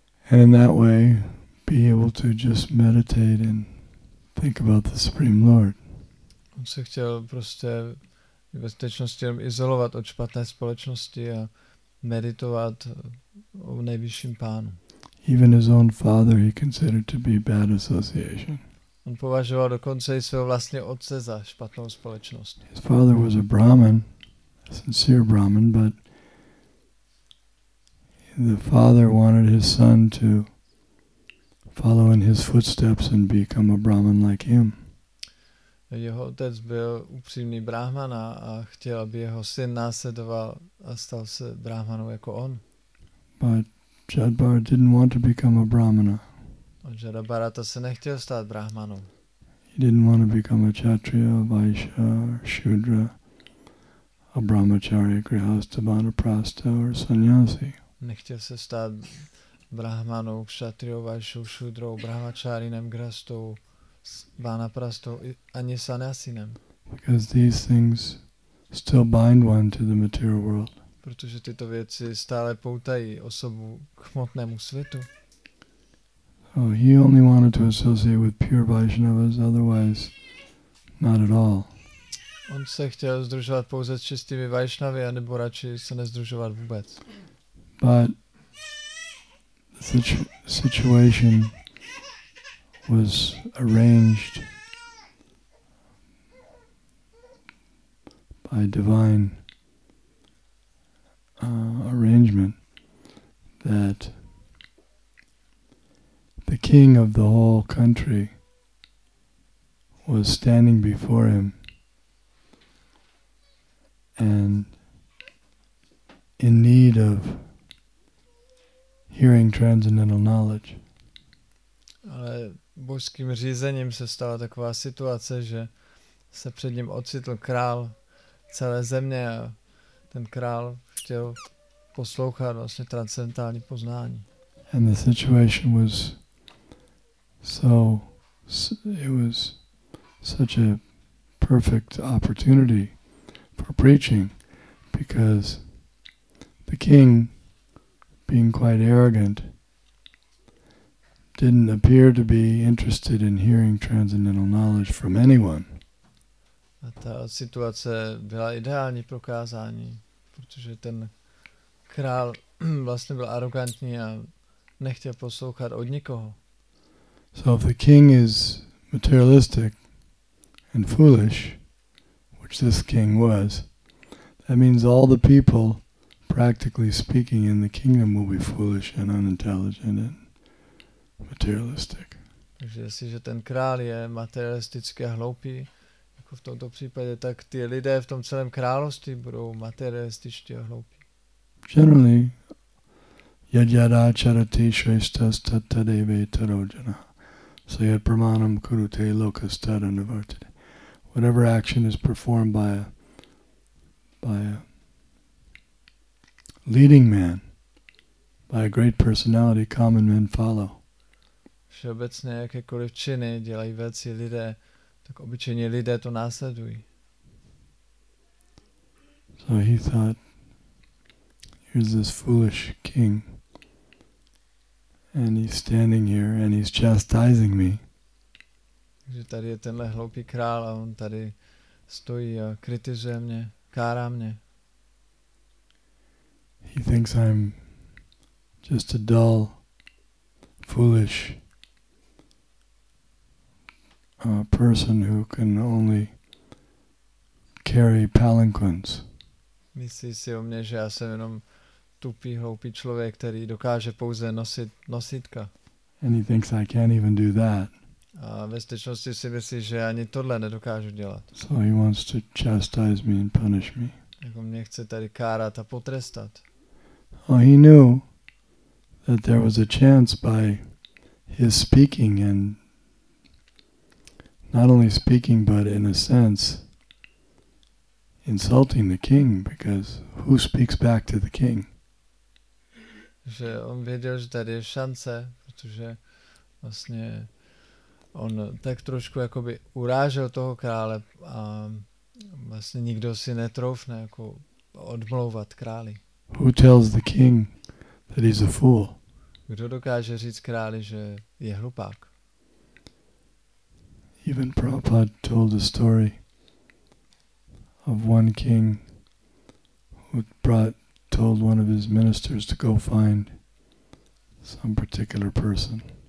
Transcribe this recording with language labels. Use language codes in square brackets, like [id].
[en] And in that way be able to just meditate and think about the Supreme Lord. [cs] On se chtěl prostě ve skutečnosti izolovat od špatné společnosti a meditovat o nejvyšším pánu. [en] Even his own father he considered to be bad association. [cs] On považoval dokonce i svého vlastního otce za špatnou společnost. [en] His father was a Brahmin, a sincere Brahmin, but the father wanted his son to follow in his footsteps and become a Brahmin like him. [cs] Jeho otec byl upřímný Brahman a chtěl, aby jeho syn následoval a stal se Brahmanem jako on. [en] But Jad Bharat didn't want to become a Brahmana. [cs] Jada Bharata se nechtěl stát Brahmanem. [en] He didn't want to become a Kshatriya, a Vaishya, or Shudra, a Brahmacharya, Grihastha, Vanaprastha, or Sannyasi. [cs] Nechtěl se stát Brahmanou, Kshatriyou, Vaishyou, Shudrou, Brahmacharinem, Grihasthou, Vanaprastou, ani Sannyasinem. [en] Because these things still bind one to the material world. [cs] Protože tyto věci stále poutají osobu k hmotnému světu. [en] So he only wanted to associate with pure Vaishnavas, otherwise not at all. [cs] On se chtěl združovat pouze s čistými Vaishnavy, anebo radši se nezdružovat vůbec. [en] But the situation was arranged by divine arrangement that the king of the whole country was standing before him, and in need of hearing transcendental knowledge. [cs] Ale božským řízením se stala taková situace, že se před ním ocitl král celé země a ten král chtěl poslouchat vlastně transcendentální poznání. [en] And the situation was so it was such a perfect opportunity for preaching because the king, being quite arrogant, didn't appear to be interested in hearing transcendental knowledge from anyone. [cs] A ta situace byla ideální pro kázání, protože ten král vlastně byl arrogantní a nechtěl poslouchat od nikoho. [en] So if the king is materialistic and foolish, which this king was, that means all the people, practically speaking, in the kingdom will be foolish and unintelligent and materialistic. [cs] Takže jestliže ten král je materialistický a hloupý, jako v tomto případě, tak ty lidé v tom celém království budou materialističtí a hloupí. [en] Generally, [sa] yadyada charati shrestas tattadeve tarojana. [en] So [sa] yad pramanam kurute lokastad anavartade. [en] Whatever action is performed by a leading man, by a great personality, common men follow. [cs] Všeobecně jakékoliv činy dělají velcí lidé, tak obyčejně lidé to následují. [en] So he thought, here's this foolish king, and he's standing here and he's chastising me. [cs] Takže tady je tenhle hloupý král a on tady stojí a kritizuje mě, kárá mě. [en] He thinks I'm just a dull, foolish person who can only carry palanquins. [cs] Myslí si o mě, že já jsem jenom tupý, hloupý člověk, který dokáže pouze nosit nosítka. [en] And he thinks I can't even do that. [cs] A ve skutečnosti si myslí, že ani tohle nedokážu dělat. [en] So he wants to chastise me and punish me. [cs] Jako mě chce tady kárat a potrestat. [en] Oh, he knew that there was a chance by his speaking and not only speaking, but in a sense insulting the king, because who speaks back to the king? [cs] Že on věděl, že tady je šance, protože vlastně on tak trošku jakoby urážel toho krále a vlastně nikdo si netroufne jako odmlouvat králi. [en] Who tells the king that he's a fool? [cs] Kdo dokáže říct králi, že je hlupák? [en] Even Prabhupada told a story of one king who told one of his ministers to go find some particular person.